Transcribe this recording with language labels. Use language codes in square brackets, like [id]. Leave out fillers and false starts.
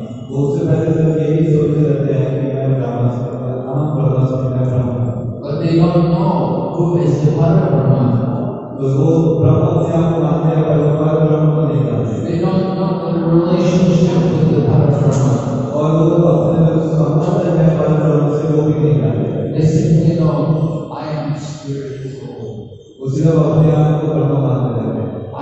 [hi] वो उससे पहले सब यही सोचते रहते हैं कि मैं ब्रह्मास्मि [sa] अहम ब्रह्मास्मि [hi] मैं ब्रह्म हूँ। [en] But they don't know who is the Param Brahm. [hi] तो वो ब्रह्म अपने आप को मानते हैं पर उनका ब्रह्म को नहीं जानते। [en] They don't know the relationship with the Parabrahma. [hi] और वो अपने जो संबंध है परब्रह्म से वो भी नहीं जानते। [en] They simply know I am spiritual. [hi] उसी तरह अपने आप को ब्रह्म मानते हैं।